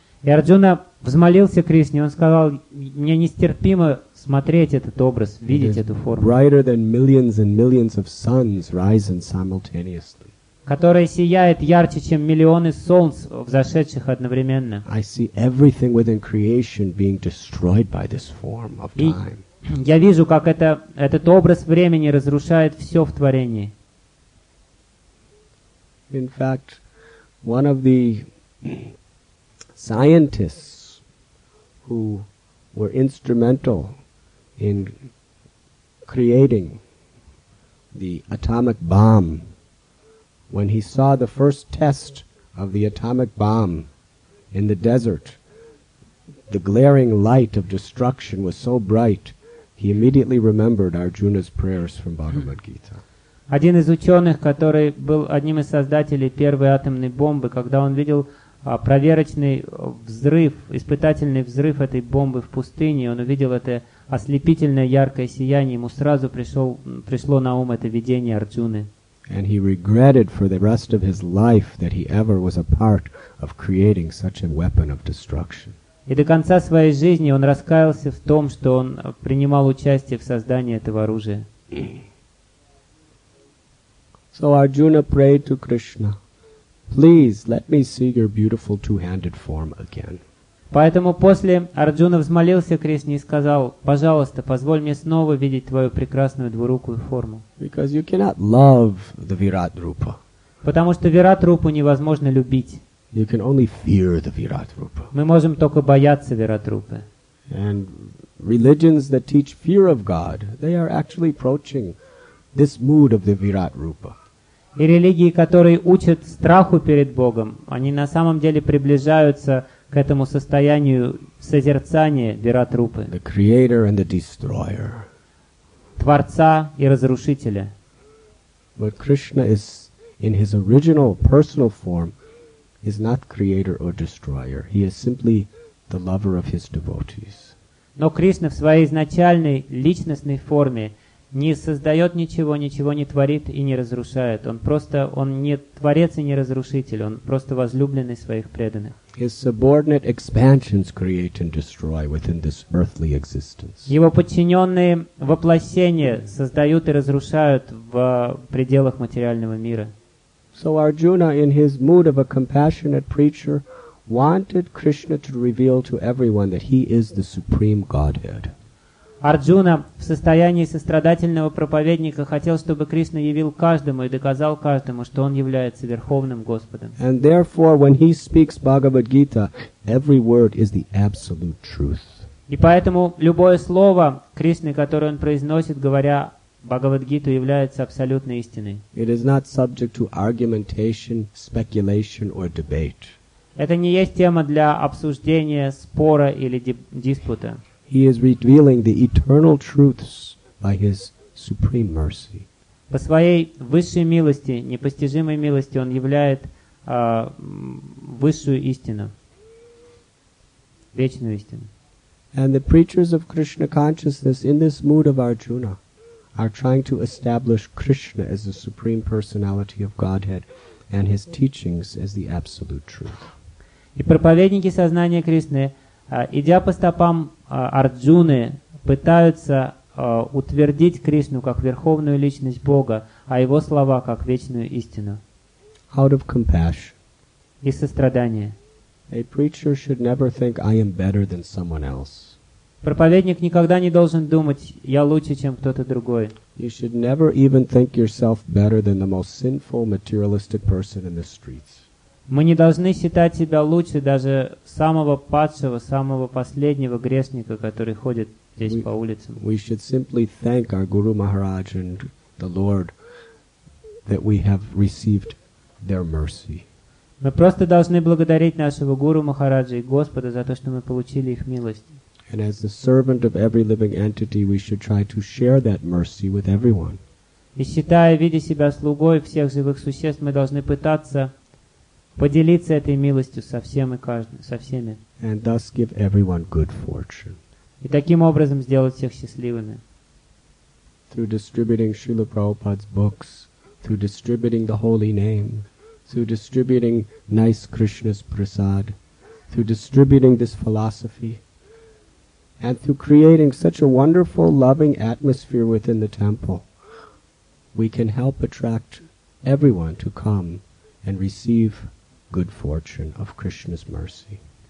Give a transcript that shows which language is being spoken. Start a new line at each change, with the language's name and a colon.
Russian: И Арджуна взмолился Кришне, он сказал, мне нестерпимо смотреть этот образ, видеть эту форму.
English: Brighter than millions and millions of suns rising simultaneously.
Russian: Которая сияет ярче, чем миллионы солнц, взошедших одновременно.
English: I see everything within creation being destroyed by this form of time.
Russian: Я вижу, как этот образ времени разрушает все в творении.
English: In fact, one of the scientists who were instrumental in creating the atomic bomb, when he saw the first test of the atomic bomb in the desert, the glaring light of destruction was so bright, he immediately remembered Arjuna's prayers from Bhagavad Gita.
Russian: Один из ученых, который был одним из создателей первой атомной бомбы, когда он видел проверочный взрыв, испытательный взрыв этой бомбы в пустыне, он увидел это ослепительное яркое сияние, ему сразу пришло на ум это видение Арджуны.
English: And he regretted for the rest of his life that he ever was a part of creating such a weapon of destruction.
Russian: И до конца своей жизни он раскаялся в том, что он принимал участие в создании этого оружия.
English: So Arjuna prayed to Krishna, please let me see your beautiful two-handed form again.
Russian: Поэтому после Арджуна взмолился Кришне и сказал, пожалуйста, позволь мне снова видеть твою прекрасную двурукую форму.
English: Because you cannot love the Virat-rupa.
Russian: Потому что Virat-rupu невозможно любить.
English: You can only fear the Virat-rupa.
Russian: Мы можем только бояться Virat-rupa.
English: And religions that teach fear of God, they are actually approaching this mood of the Virat-rupa.
Russian: И религии, которые учат страху перед Богом, они на самом деле приближаются к этому состоянию созерцания Вират-рупы.
English: The creator and the destroyer.
Russian: Творца и разрушителя.
English: But Krishna is in his original personal form is not creator or destroyer. He is simply the lover of his devotees.
Russian: Но Кришна в своей изначальной личностной форме не создает ничего, ничего не творит и не разрушает. Он не творец и не разрушитель, он просто возлюбленный своих преданных.
English: His subordinate expansions create and destroy within this earthly existence.
Russian: Его подчиненные воплощения создают и разрушают в пределах материального мира.
English: So Arjuna, in his mood of a compassionate preacher, wanted Krishna to reveal to everyone that he is the supreme Godhead.
Russian: Арджуна в состоянии сострадательного проповедника хотел, чтобы Кришна явил каждому и доказал каждому, что он является Верховным Господом.
English: And therefore, when he speaks Bhagavad Gita, every word is the absolute truth.
Russian: И поэтому любое слово Кришны, которое он произносит, говоря Бхагавад-гиту, является абсолютной истиной.
English: It is not subject to argumentation, speculation or debate.
Russian: Это не есть тема для обсуждения, спора или диспута.
English: He is revealing the eternal truths by his supreme mercy.
Russian: По своей высшей милости, непостижимой милости, он являет высшую истину, вечную истину.
English: And the preachers of Krishna consciousness in this mood of Arjuna are trying to establish Krishna as the supreme personality of Godhead and his teachings as the absolute truth.
Russian: И проповедники сознания Кришны, идя по стопам Арджуны, пытаются утвердить Кришну как верховную личность Бога, а его слова как вечную истину.
English: Out of compassion.
Russian: Из сострадания.
English: A preacher should never think I am better than someone else.
Russian: Проповедник никогда не должен думать, я лучше, чем кто-то другой.
English: You should never even think yourself better than the most sinful materialistic person in the streets.
Russian: Мы не должны считать себя лучше даже самого падшего, самого последнего грешника, который ходит здесь по улицам.
English: We should simply thank our Guru Maharaj and the Lord that we have received their mercy.
Russian: Мы просто должны благодарить нашего Гуру Махараджа и Господа за то, что мы получили их милость.
English: And as the servant of every living entity, we should try to share that mercy with everyone.
Russian: И считая, видя себя слугой всех живых существ, мы должны пытаться поделиться этой милостью со всем и каждым, со всеми.
English: And thus give everyone good fortune.
Russian: И таким образом сделать всех счастливыми.
English: Through distributing Srila Prabhupada's books, through distributing the holy name, through distributing nice Krishna's prasad, through distributing this philosophy, and through creating such a wonderful, loving atmosphere within the temple, we can help attract everyone to come and receive good fortune of Krishna's mercy.